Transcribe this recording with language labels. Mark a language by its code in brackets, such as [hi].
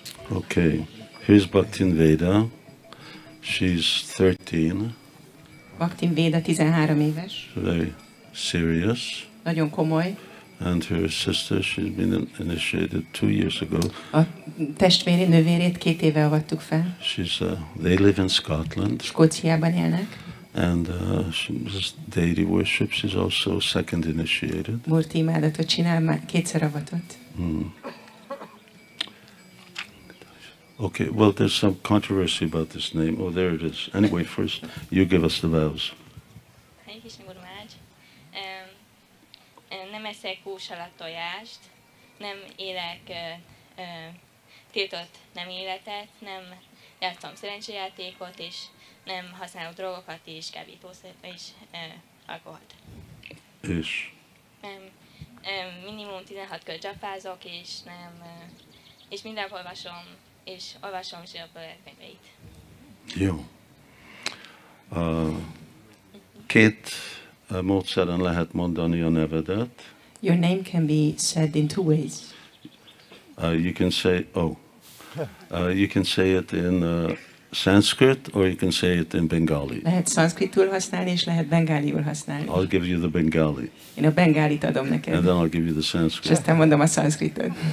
[en] Okay, here's Bhaktivinoda. She's 13. [hu] Bhaktivinoda, 13 éves. [en] Very serious. [hu] Nagyon komoly. [en] And her sister, she's been initiated 2 years ago. [hu] A testvéri nővérét 2 éve avattuk fel. [en] She's, they live in Scotland. [hu] Skóciában élnek. [en] And she's deity worship. She's also second initiated. [hu] Murti imádatot csinál, már 2-szer avatott. Hmm. [en] Okay, well, there's some controversy about this name. Oh, there it is. Anyway, first, you give us the vows. Hare Krishna Guru Maharaj. [hu] Nem eszek húshalat tojást, nem élek tiltott nem életet, nem játszom szerencsejátékot, és nem használok drogokat, és kábítószert, és alkoholt. És? Minimum 16 kör dzsapázok, és nem, és mindenhol olvasom, és olvasom Sivarama Swamit. Jó. Két módszeren lehet mondani a nevedet. [en] Your name can be said in two ways. You can say, you can say it in Sanskrit, or you can say it in Bengali. [hu] Lehet szanszkritul használni, és lehet bengáliul használni. [en] I'll give you the Bengali. [hu] Én a bengálit adom neked. [en] And then I'll give you the Sanskrit. [hu] És aztán mondom a szanszkritot.